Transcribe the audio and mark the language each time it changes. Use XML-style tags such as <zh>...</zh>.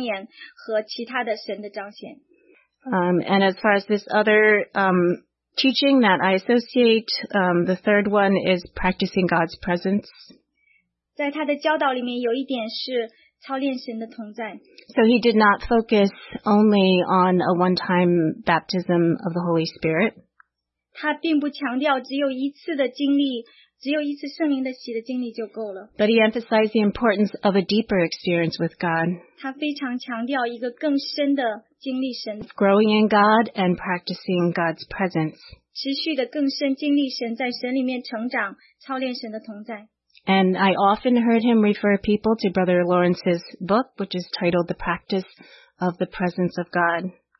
<zh>就给圣灵开了一条路，能够来掌管我们，然后圣灵就能够来充满我们，直到满意，而且能够有常常就会带来说方言和其他的神的彰显。</zh> <en>And as far as this other teaching that I associate, the third one is practicing God's presence.</en> <zh>在他的教导里面有一点是操练神的同在。</zh> <en>So he did not focus only on a one-time baptism of the Holy Spirit.</en> <zh>他并不强调只有一次圣灵的喜的经历就够了。</zh> <en>But he emphasized the importance of a deeper experience with God.</en> <zh>他非常强调一个更深的经历神。</zh> <en>Growing in God and practicing God's presence.</en> <zh>持续的更深经历神，在神里面成长，操练神的同在。</zh> <en>And I often heard him refer people to Brother Lawrence's book, which is titled The Practice of the Presence of God.</en>